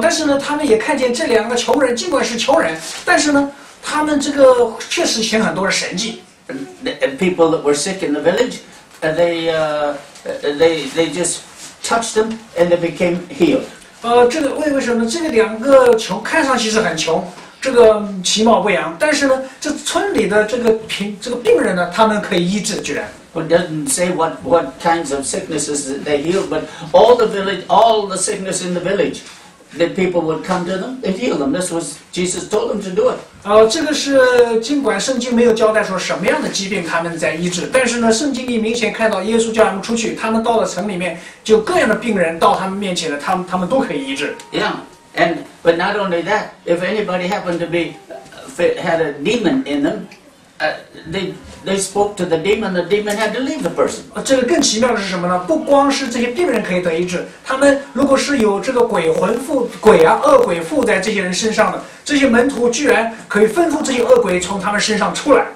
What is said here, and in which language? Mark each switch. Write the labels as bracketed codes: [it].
[zh] 但是呢，他们也看见这两个穷人，尽管是穷人，但是呢，他们这个确实行很多的神迹。 [en] And people that were sick in the village, they just touched them and they became healed. [zh] 这个为什么这两个穷看上去是很穷？这个其貌不扬，但是呢，这村里的这个病人呢，他们可以医治，居然。 [en] It doesn't say what kinds of sicknesses they healed, but all the sickness in the village, the people would come to them, they'd heal them. This was Jesus told them to do it. [zh] 这个是尽管圣经没有交代说什么样的疾病他们在医治，但是呢，圣经里明显看到耶稣叫他们出去，他们到了城里面，就各样的病人到他们面前了，他们都可以医治。 [en] Yeah, and but not only that, if anybody happened to be had a demon in them, they spoke to the demon, the demon had to leave the person. [zh] 这个更奇妙的是什么呢？不光是这些病人可以得医治，他们如果是有这个鬼魂附鬼啊恶鬼附在这些人身上的，这些门徒居然可以吩咐这些恶鬼从他们身上出来。